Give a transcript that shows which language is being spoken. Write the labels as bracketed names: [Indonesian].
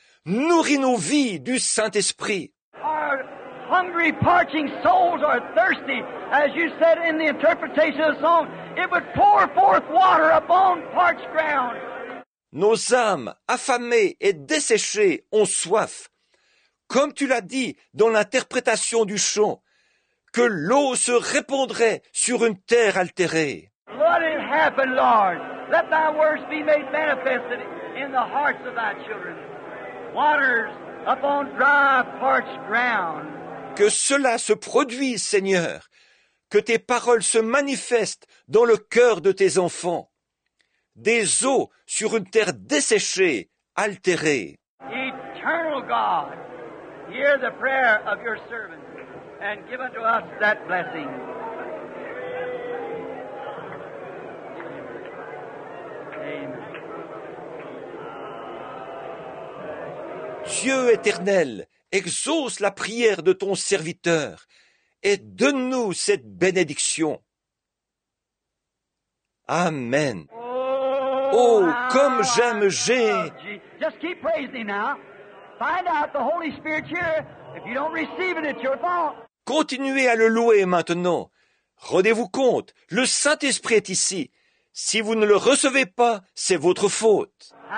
[French] Nourris nos vies du Saint-Esprit. [English] Our hungry, parching souls are thirsty. As you said in the interpretation of the song, it would pour forth water upon parched ground. [French] Nos âmes affamées et desséchées ont soif. Comme tu l'as dit dans l'interprétation du chant, que l'eau se répandrait sur une terre altérée. [English] Let it happen, Lord. Let thy words be made manifested in the hearts of thy children. Waters upon dry, parched ground. [French] Que cela se produise, Seigneur. Que tes paroles se manifestent dans le cœur de tes enfants. Des eaux sur une terre desséchée, altérée. [English] Eternal God, hear the prayer of your servant and give unto us that blessing. [French] Dieu éternel, exauce la prière de ton serviteur et donne-nous cette bénédiction. Amen. Oh, comme j'aime Jésus. [English] Just keep praising him now. Find out the Holy Spirit here. If you don't receive it, it's your fault. [French] Continuez à le louer maintenant. Rendez-vous compte, le Saint-Esprit est ici. Si vous ne le recevez pas, c'est votre faute.